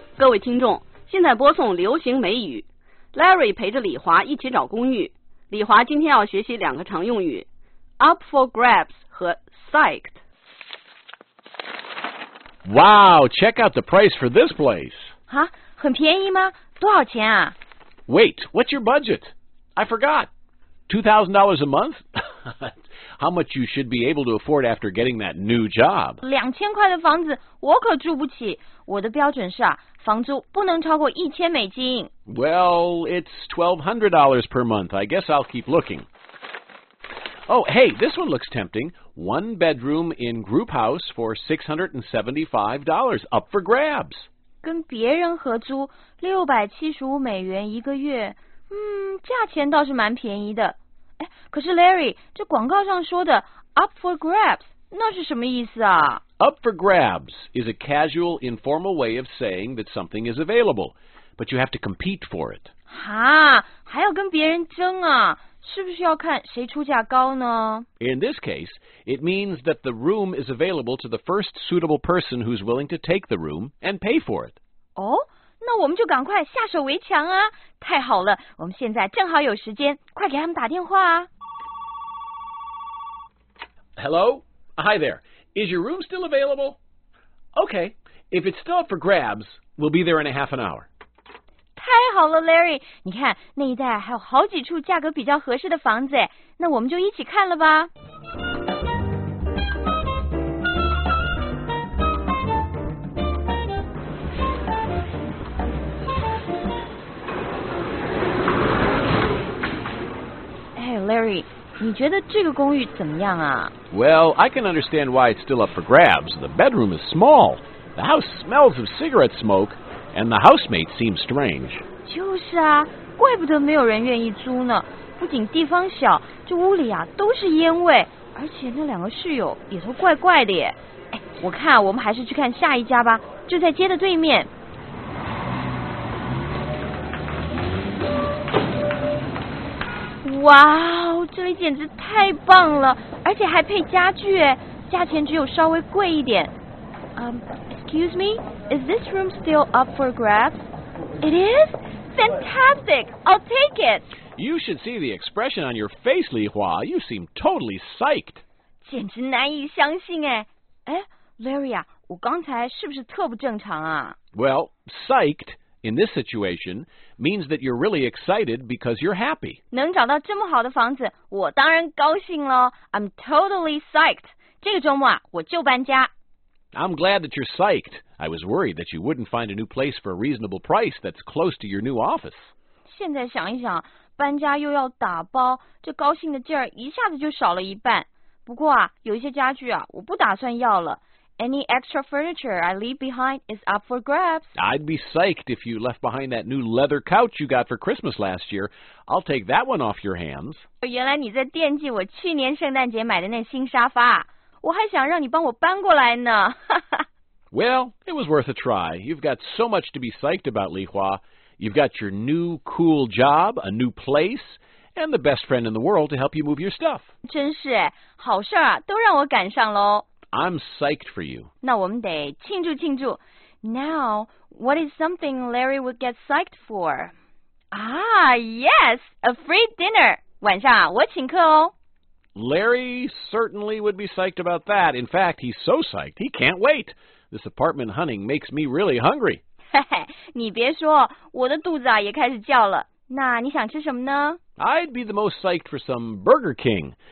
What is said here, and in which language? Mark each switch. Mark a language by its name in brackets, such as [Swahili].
[Chinese] 位听众，现在播送流行美语。Larry 陪着李华一起找公寓。李华今天要学习两个常用语， up for grabs 和 psyched。 [English] Wow, check out the price for this place. [Chinese] 哈，很便宜吗？多少钱啊？ [English] Wait, what's your budget? I forgot. $2,000 a month? How much you should be able to afford after getting that new job? [Chinese] 2000块的房子我可住不起。我的标准是啊，房租不能超过$1,000。 [English] Well, it's $1,200 per month. I guess I'll keep looking. Oh, hey, this one looks tempting. One bedroom in group house for $675, up for grabs. [Chinese] 跟别人合租$675一个月，价钱倒是蛮便宜的。可是 Larry, 这广告上说的 up for grabs, 那是什么意思啊？ [English] Up for grabs is a casual, informal way of saying that something is available, but you have to compete for it. [Chinese] 哈，还要跟别人争啊，是不是要看谁出价高呢？ [English] In this case, it means that the room is available to the first suitable person who's willing to take the room and pay for it. [Chinese] 哦，那我们就赶快下手为强啊！太好了，我们现在正好有时间，快给他们打电话啊。 [English] Hello? Hi there. Is your room still available? Okay. If it's still up for grabs, we'll be there in a half an hour. [Chinese] 太好了 ,Larry. 你看，那一带还有好几处价格比较合适的房子，那我们就一起看了吧。 Larry, 你觉得这个公寓怎么样啊？ [English] Well, I can understand why it's still up for grabs. The bedroom is small. The house smells of cigarette smoke, and the housemate seems strange. [Chinese] 就是啊，怪不得没有人愿意租呢。不仅地方小，这屋里啊都是烟味，而且那两个室友也都怪怪的耶。我看我们还是去看下一家吧，就在街的对面。哇哦，这里简直太棒了，而且还配家具，价钱只有稍微贵一点。 [English] Excuse me, is this room still up for grabs? It is? Fantastic, I'll take it. You should see the expression on your face, Li Hua. You seem totally psyched. [Chinese] 简直难以相信哎。 Larry 啊，我刚才是不是特不正常啊？ [English] Well, psyched. In this situation, means that you're really excited because you're happy. [Chinese] 能找到这么好的房子，我当然高兴了。 [English] I'm totally psyched. [Chinese] 这个周末啊，我就搬家。 [English] I'm glad that you're psyched. I was worried that you wouldn't find a new place for a reasonable price that's close to your new office. [Chinese] 现在想一想，搬家又要打包，这高兴的劲儿一下子就少了一半。不过啊，有一些家具啊，我不打算要了。 [English] Any extra furniture I leave behind is up for grabs. I'd be psyched if you left behind that new leather couch you got for Christmas last year. I'll take that one off your hands. [Chinese] 原来你在惦记我去年圣诞节买的那新沙发，我还想让你帮我搬过来呢。 [English] Well, it was worth a try. You've got so much to be psyched about, Li Hua. You've got your new cool job, a new place, and the best friend in the world to help you move your stuff. [Chinese] 真是，好事啊，都让我赶上喽。 [English] I'm psyched for you. [Chinese] 那我们得庆祝庆祝。 [English] Now, what is something Larry would get psyched for? Ah, yes, a free dinner. [Chinese] 晚上啊，我请客哦。 [English] Larry certainly would be psyched about that. In fact, he's so psyched, he can't wait. This apartment hunting makes me really hungry. [Chinese] 你别说，我的肚子啊也开始叫了。那你想吃什么呢？ [English] I'd be the most psyched for some Burger King.